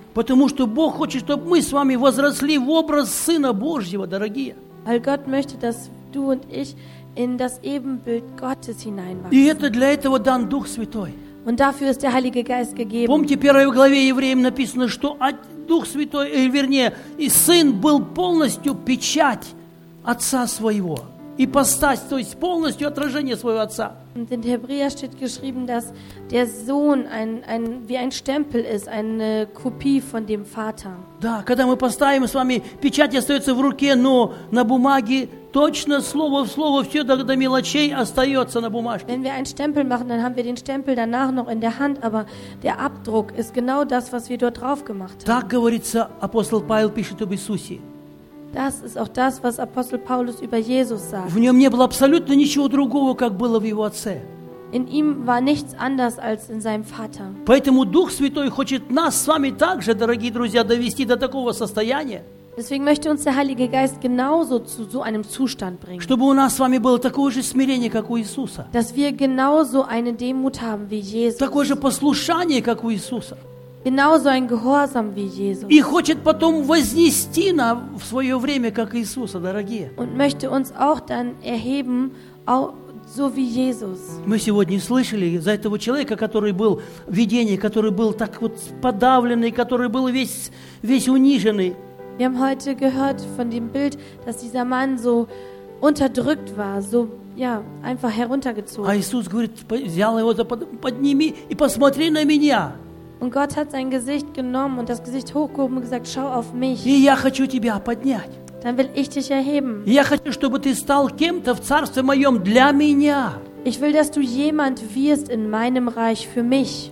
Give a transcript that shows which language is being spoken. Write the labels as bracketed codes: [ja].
[ru] Потому что Бог хочет, чтобы мы с вами возросли в образ Сына Божьего, дорогие. [de] Weil Gott möchte, dass du und ich in das Ebenbild Gottes hineinwachsen. [ru] И это для этого дан Дух Святой. [de] Und dafür ist der Heilige Geist gegeben. [ru] Помните, в первой главе Евреям написано, что Дух Святой, вернее, и Сын был полностью печать Отца Своего. И постась, то есть полностью отражение Своего Отца. [de] Und in Hebräer steht geschrieben, dass der Sohn ein wie ein Stempel ist, eine Kopie von dem Vater. [ru] Да, когда мы поставим с вами, печать остается в руке, но на бумаге точно слово в слово все до мелочей остается на бумажке. [de] Wenn wir einen Stempel machen, dann haben wir den Stempel danach noch in der Hand, aber der Abdruck ist genau das, was wir dort drauf gemacht haben. [ru] Так говорится, апостол Павел пишет об Иисусе. [de] Das ist auch das, was Apostel Paulus über Jesus sagt. [ru] В нем не было абсолютно ничего другого, как было в его отце. [de] In ihm war nichts anders als in seinem Vater. [ru] Поэтому Дух Святой хочет нас с вами также, дорогие друзья, довести до такого состояния. [de] Deswegen möchte uns der Heilige Geist genauso zu so einem Zustand bringen. [ru] Чтобы у нас с вами было такое же смирение, как у Иисуса. [de] Dass wir genauso eine Demut haben wie Jesus. [ru] Такое же послушание, как у Иисуса. [de] Genauso ein Gehorsam wie Jesus. [ru] И хочет потом вознести нас в свое время, как Иисуса, дорогие. [de] Und möchte uns auch dann erheben, auch so wie Jesus. [ru] Мы сегодня слышали за этого человека, который был в видении, который был так вот подавленный, который был весь униженный. [de] Wir haben heute gehört von dem Bild, dass dieser Mann so unterdrückt war, so ja, einfach heruntergezogen. [ru] А Иисус говорит, взял его, подними и посмотри на меня. [de] Und Gott hat sein Gesicht genommen und das Gesicht hochgehoben und gesagt, schau auf mich. [ru] И я хочу тебя поднять. [de] Dann will ich dich erheben. [ru] Я хочу, чтобы ты стал кем-то в царстве моем для меня. [de] Ich will, dass du jemand wirst in meinem Reich für mich.